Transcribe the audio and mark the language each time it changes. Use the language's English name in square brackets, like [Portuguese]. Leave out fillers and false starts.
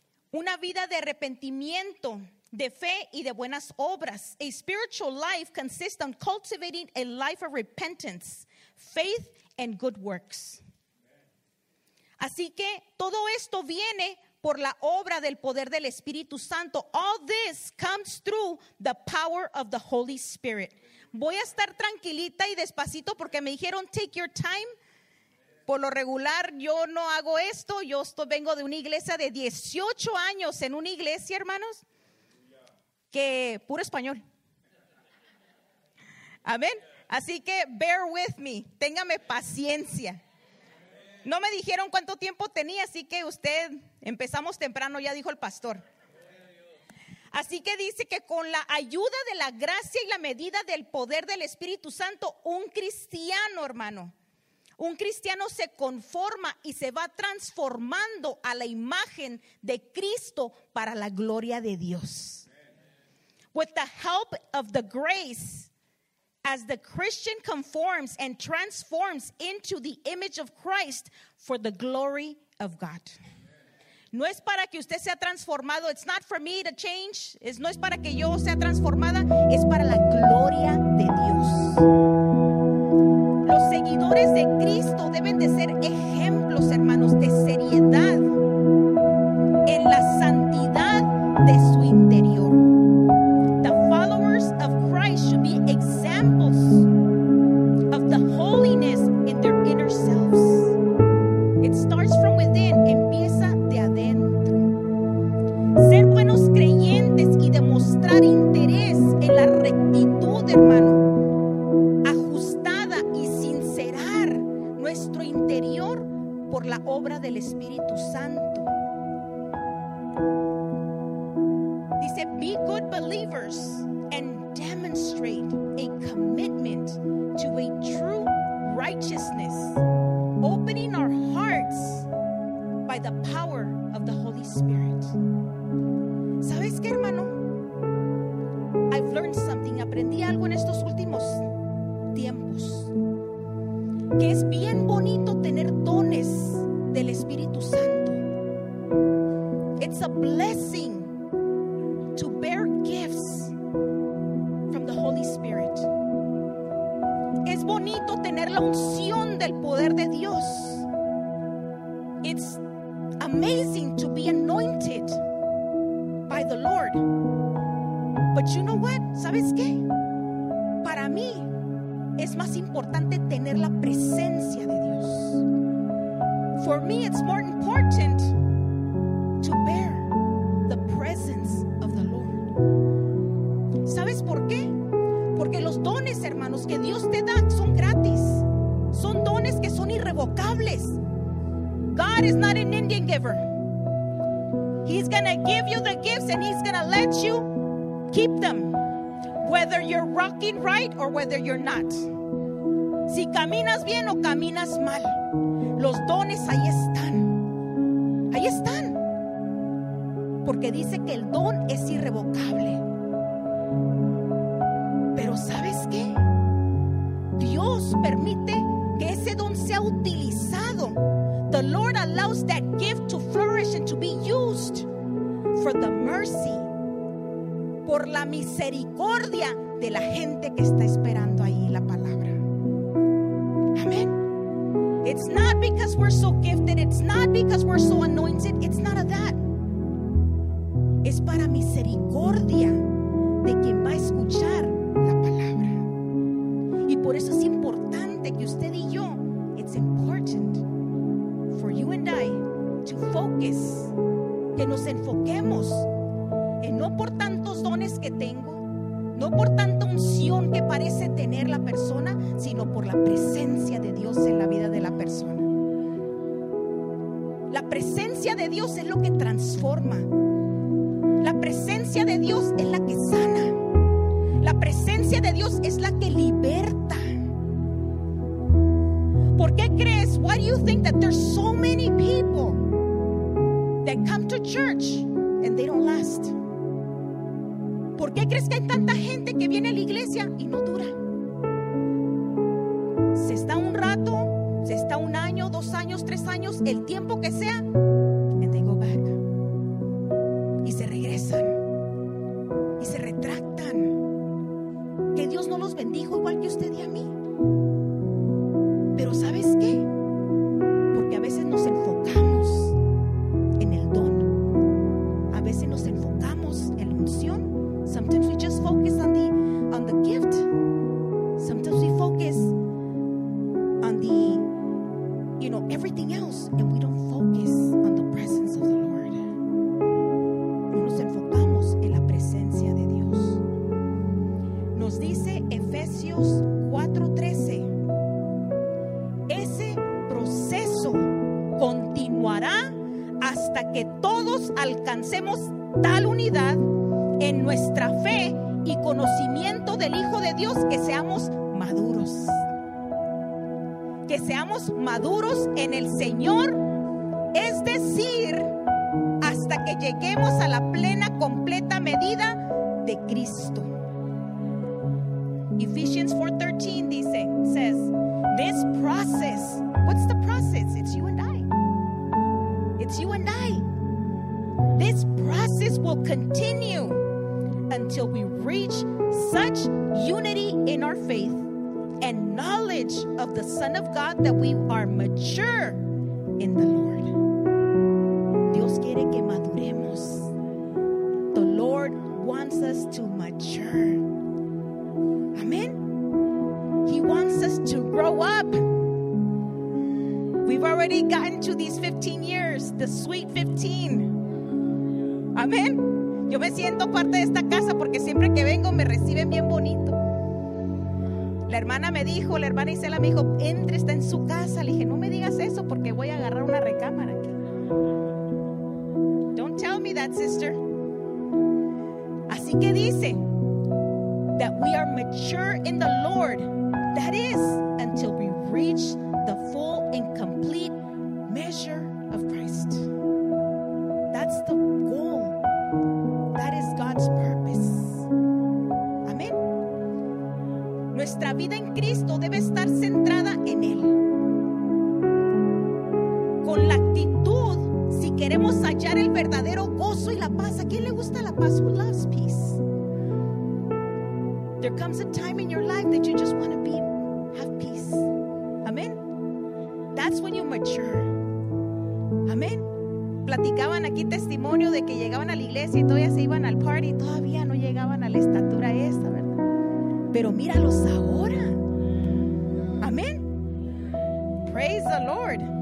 [Spanish] Una vida de arrepentimiento, de fe y de buenas obras. [English] A spiritual life consists on cultivating a life of repentance, faith and good works. [Spanish] Así que todo esto viene por la obra del poder del Espíritu Santo. [English] All this comes through the power of the Holy Spirit. [Spanish] Voy a estar tranquilita y despacito porque me dijeron [English] take your time. [Spanish] Por lo regular yo no hago esto. Yo vengo de una iglesia de 18 años en una iglesia, hermanos, que puro español. Amén. Así que [English] bear with me, [Spanish] téngame paciencia. No me dijeron cuánto tiempo tenía, así que usted, empezamos temprano, ya dijo el pastor. Así que dice que con la ayuda de la gracia y la medida del poder del Espíritu Santo, un cristiano, hermano, un cristiano se conforma y se va transformando a la imagen de Cristo para la gloria de Dios. [English] With the help of the grace, as the Christian conforms and transforms into the image of Christ for the glory of God. [Spanish] No es para que usted sea transformado. [English] It's not for me to change. [Spanish] Es, no es para que yo sea transformada. Es para la gloria de Dios. Los seguidores de Cristo deben de ser ejemplos, hermanos, de seriedad en la santidad de su interior. [English] The followers of Christ should be examples of the holiness in their inner selves. It starts from within. [Spanish] Empieza de adentro. Ser buenos creyentes y demostrar interés en la rectitud, hermano, ajustada y sincerar nuestro interior por la obra del Espíritu Santo. Dice, [English] be good believers and demonstrate a commitment to a true righteousness, opening our hearts by the power of the Holy Spirit. [Spanish] ¿Sabes qué, hermano? [English] I've learned something. [Spanish] Aprendí algo en estos últimos tiempos. Que es bien bonito tener dones del Espíritu Santo. [English] It's a blessing to bear gifts from the Holy Spirit. [Spanish] Es bonito tener la unción del poder de Dios. [English] It's amazing to be anointed by the Lord. But you know what? [Spanish] ¿Sabes qué? Para mí es más importante tener la presencia de Dios. [English] For me it's more important to bear the presence of the Lord. [Spanish] ¿Sabes por qué? Porque los dones, hermanos, que Dios te da son gratis. Son dones que son irrevocables. [English] God is not an Indian giver. He's going to give you the gifts and he's going to let you keep them. Whether you're rocking right or whether you're not. [Spanish] Si caminas bien o caminas mal. Los dones ahí están. Ahí están. Porque dice que el don es irrevocable. Pero ¿sabes qué? Dios permite que ese don sea utilizado. [English] The Lord allows that gift to flourish and to be used for the mercy, [Spanish] por la misericordia de la gente que está esperando ahí la palabra. [English] Amen. It's not because we're so gifted, it's not because we're so anointed, it's none of that. [Spanish] Es para misericordia de quien va a escuchar la palabra. Y por eso es importante que usted y yo, [English] it's important for you and I to focus, [Spanish] que nos enfoquemos en no por tantos dones que tengo, no por tanta unción que parece tener la persona, sino por la presencia de Dios en la vida de la persona. La presencia de Dios es lo que transforma. La presencia de Dios es la que sana. La presencia de Dios es la que liberta. ¿Por qué crees? [English] Why do you think that there's so many people that come to church and they don't last? [Spanish] ¿Por qué crees que hay tanta gente que viene a la iglesia y no dura? Se está un rato, se está un año, dos años, tres años, el tiempo que sea, [English] and they go back. [Spanish] Y se regresan y se retractan. Que Dios no los bendijo igual que usted y a mí. Pero ¿sabes qué? Porque a veces nos enfocamos en el don. A veces nos enfocamos en la unción. [English] Sometimes we just focus on the gift. Sometimes we focus on the, you know, everything else, and we don't focus on the presence of the Lord. [Spanish] No nos enfocamos en la presencia de Dios. Nos dice Efesios 4:13. Ese proceso continuará hasta que todos alcancemos tal unidad en nuestra fe y conocimiento del Hijo de Dios, que seamos maduros. Que seamos maduros en el Señor, es decir, hasta que lleguemos a la plena, completa medida de Cristo. [English] Ephesians 4:13 [Spanish] dice, [English] says, this process, what's the process? It's you and I. It's you and I. This process will continue until we reach such unity in our faith and knowledge of the Son of God that we are mature in the Lord. [Spanish] Dios quiere que maduremos. [English] The Lord wants us to mature. Amen. He wants us to grow up. We've already gotten to these 15 years, the sweet 15. Amen. [Spanish] Yo me siento parte de esta casa porque siempre que vengo me reciben bien bonito. La hermana me dijo, la hermana Isela me dijo, entre, está en su casa. Le dije, no me digas eso porque voy a agarrar una recámara aquí. [English] Don't tell me that, sister. [Spanish] Así que dice, [English] that we are mature in the Lord. That is, until we reach the full and complete measure of Christ. That's the goal. That is God's purpose. Amén. [Spanish] Nuestra vida en Cristo debe estar centrada en Él. Con la actitud, si queremos hallar el verdadero gozo y la paz. ¿A quién le gusta la paz? [English] Who loves peace? There comes a time in your life that you just want to be, have peace. Amén. That's when you mature. Amén. [Spanish] Platicaban aquí testimonio de que llegaban a la iglesia y todavía se iban al party, todavía no llegaban a la estatura esta, ¿verdad? Pero míralos ahora. Amén. [English] Praise the Lord.